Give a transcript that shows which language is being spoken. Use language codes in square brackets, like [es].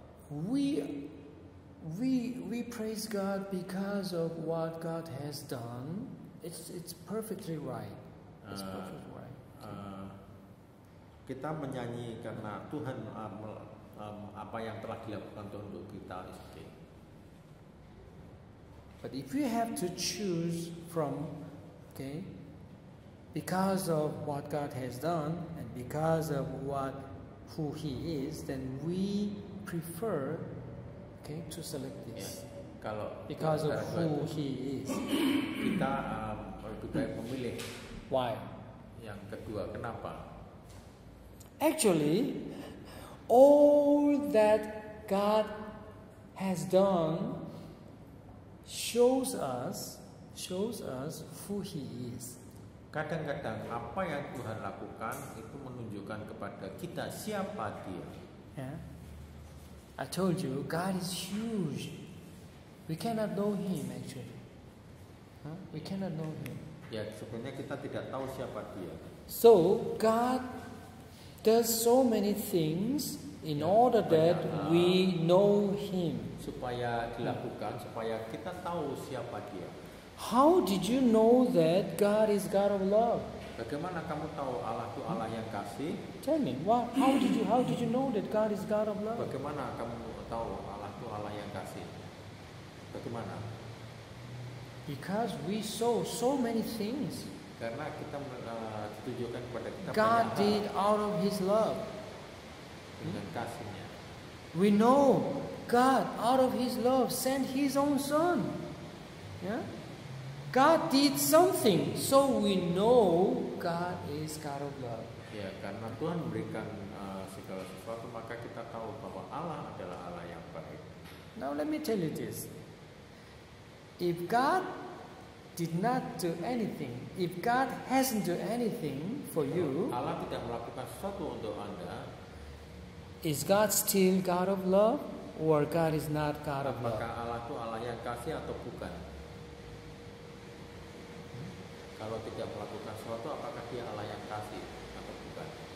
[en] We praise God because of what God has done. It's perfectly right. It's perfectly right. [id] Kita menyanyi karena Tuhan apa yang telah dilakukan Tuhan untuk kita. [en] Okay. But if you have to choose from because of what God has done and because of who He is, then we prefer to select this. Yeah. [id] Kalau [en] because of who He is, [id] kita lebih baik memilih. [en] Why? [id] Yang kedua, kenapa? [en] Actually, all that God has done shows us who He is. [id] Kadang-kadang apa yang Tuhan lakukan itu menunjukkan kepada kita siapa Dia. [en] Yeah. I told you God is huge. We cannot know Him actually. We cannot know Him. [id] Ya, sebenarnya kita tidak tahu siapa Dia. [en] So God does so many things in order that we know Him. [id] Supaya dilakukan supaya kita tahu siapa Dia. [en] How did you know that God is God of love? [id] Bagaimana kamu tahu Allah itu Allah yang kasih? [en] Tell me, why? How did you know that God is God of love? [id] Bagaimana kamu tahu Allah itu Allah yang kasih? Bagaimana? [en] Because we saw so many things. [id] Karena kita ditunjukkan kepada kita. [en] God did out of His love. [id] Dengan kasihnya. [en] We know God out of His love sent His own Son. Yeah. God did something, so we know God is God of love. [id] Ya, karena Tuhan memberikan segala sesuatu, maka kita tahu bahwa Allah adalah Allah yang baik. [en] Now let me tell you this. If God did not do anything, if God hasn't do anything for you, [id] Allah tidak melakukan sesuatu untuk Anda, [en] is God still God of love or God is not God of love? [id] Apakah Allah itu Allah yang kasih atau bukan? Kalau tidak melakukan sesuatu, apakah Dia Allah yang kasih atau bukan?